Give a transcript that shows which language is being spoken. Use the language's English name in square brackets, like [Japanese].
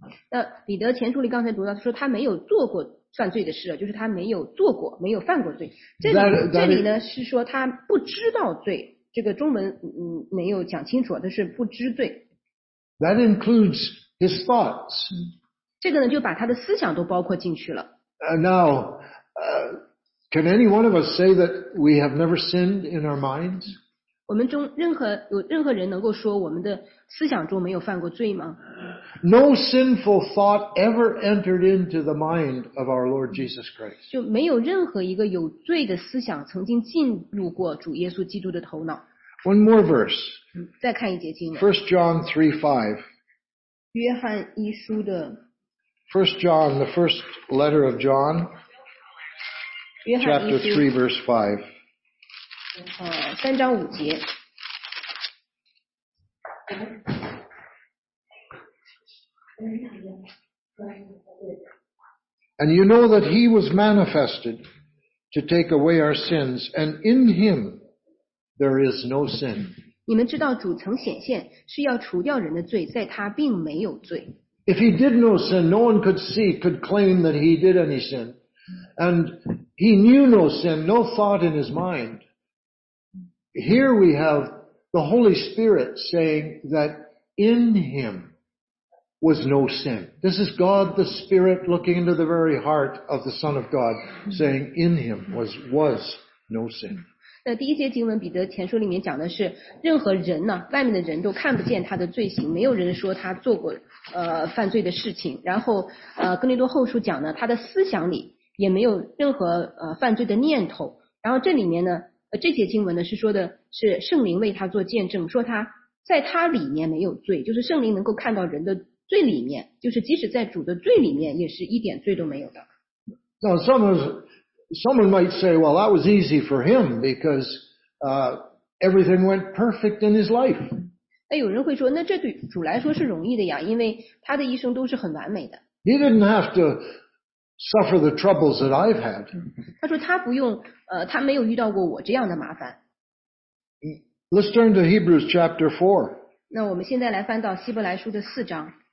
[Chinese] 那彼得前书里刚才读到，他说他没有做过算罪的事了，就是他没有做过，没有犯过罪。这里呢是说他不知道罪，这个中文没有讲清楚，但是不知罪。 [English] That includes his thoughts. [Chinese] 这个呢就把他的思想都包括进去了。 [English] Now, can any one of us say that we have never sinned in our minds? [Chinese] 我们中任何人能够说我们的思想中没有犯过罪吗？ [English] No sinful thought ever entered into the mind of our Lord Jesus Christ. [Chinese] 就没有任何一个有罪的思想曾经进入过主耶稣基督的头脑。 [English] One more verse. [Chinese] 再看一节经文。 [English] 1 John 3:5. [Chinese] 约翰一书的。 [English] First John, the first letter of John. Chapter 3:5. [Chinese] 三章五节。 [English] And you know that he was manifested to take away our sins, and in him there is no sin. [Chinese] 你们知道主曾显现，是要除掉人的罪，在他并没有罪。 [English] If he did no sin, no one could see, could claim that he did any sin. And he knew no sin, no thought in his mind. Here we have the Holy Spirit saying that in him was no sin. This is God the Spirit looking into the very heart of the Son of God saying in him was no sin. [Chinese] 那第一节经文彼得前书里面讲的是任何人呢外面的人都看不见他的罪行，没有人说他做过犯罪的事情，然后哥林多后书讲呢他的思想里也没有任何犯罪的念头，然后这里面呢这节经文呢是说的是圣灵为他做见证，说他在他里面没有罪，就是圣灵能够看到人的罪里面，就是即使在主的罪里面也是一点罪都没有的。 [English] Now someone might say, well, that was easy for him because everything went perfect in his life. [Chinese] 那有人会说，那这对主来说是容易的呀，因为他的一生都是很完美的。 [English] He didn't have to suffer the troubles that I've had. [Chinese] 他说他不用他没有遇到过我这样的麻烦。 [English] Let's turn to Hebrews chapter 4. [Chinese] 那我们现在来翻到希伯来书的四章。